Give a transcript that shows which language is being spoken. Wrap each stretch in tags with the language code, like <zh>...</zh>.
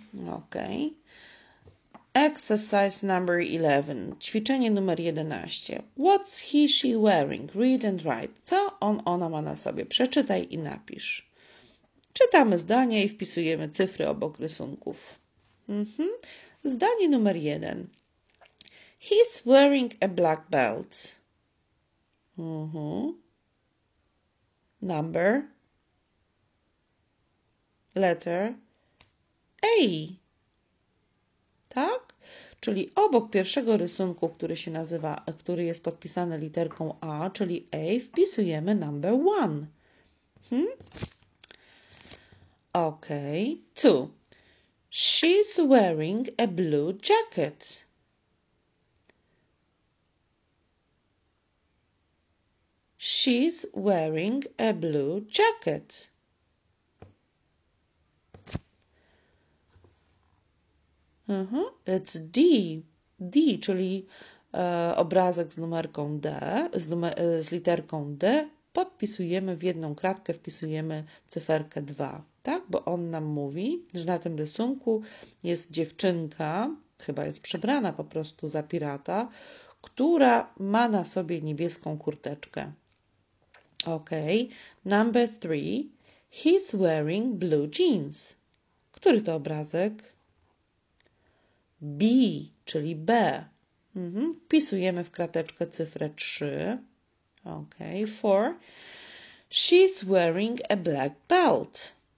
<en>Ok. Exercise number 11. Ćwiczenie numer 11. What's he, she wearing? Read and write.</en> <pl>Co on, ona ma na sobie? Przeczytaj i napisz. Czytamy zdanie i wpisujemy cyfry obok rysunków. Mhm. Zdanie numer 1.</pl> <en>He's wearing a black belt. Mhm. Number. Letter. A.</en> <pl>Tak? Czyli obok pierwszego rysunku, który się nazywa, który jest podpisany literką A, czyli A, wpisujemy number one.</pl> <en>Ok. Two. She's wearing a blue jacket. She's wearing a blue jacket. It's D.</en> <pl>D, czyli obrazek z numerką D, z literką D, podpisujemy w jedną kratkę, wpisujemy cyferkę 2, tak? Bo on nam mówi, że na tym rysunku jest dziewczynka, chyba jest przebrana po prostu za pirata, która ma na sobie niebieską kurteczkę.</pl> <en>Ok. Number 3. He's wearing blue jeans.</en> <pl>Który to obrazek? B, czyli B. Wpisujemy w krateczkę cyfrę 3.</pl> <en>Ok. 4. She's wearing a black belt.</en>